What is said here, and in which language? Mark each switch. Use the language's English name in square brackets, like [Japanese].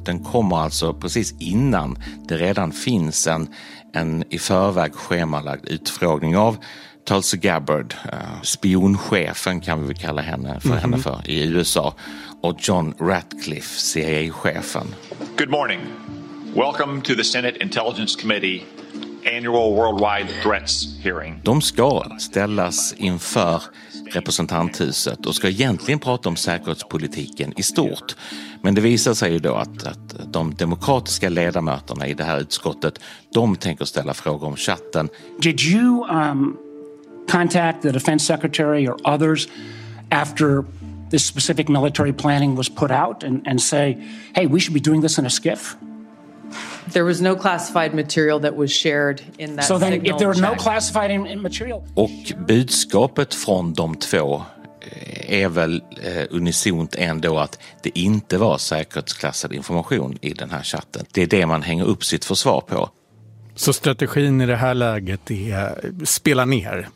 [Swedish] Den kommer alltså precis innan det redan finns en i förväg schemalagd utfrågning av Tulsi Gabbard, spionchefen kan vi väl kalla henne för, henne för i USA, och John Ratcliffe, CIA-chefen. [English] Good morning. Welcome to the Senate Intelligence Committee annual worldwide threats hearing. [Swedish] De ska ställas inför representanthuset och ska egentligen prata om säkerhetspolitiken i stort. Men det visar sig ju då att de demokratiska ledamöterna i det här utskottet, de tänker ställa frågor om chatten. [English] Did you contact the defense secretary or others after this specific military planning was put out and say, "Hey, we should be doing this in a SCIF"? There was no classified material that was shared in that. So then if there are no classified material. [Swedish] Och budskapet från de två är väl unisont ändå att det inte var säkerhetsklassad information i den här chatten. Det är det man hänger upp sitt försvar på. Så strategin i det här läget är spela ner.